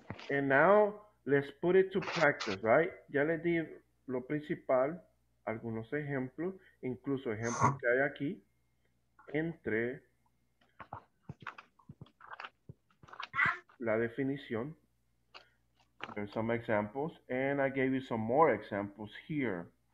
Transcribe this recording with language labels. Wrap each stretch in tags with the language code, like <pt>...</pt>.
<en>And now let's put it to practice, right?</en> <es>Ya le di lo principal, algunos ejemplos, incluso ejemplos que hay aquí, entre la definición.</es> <en>There's some examples, and I gave you some more examples here.</en>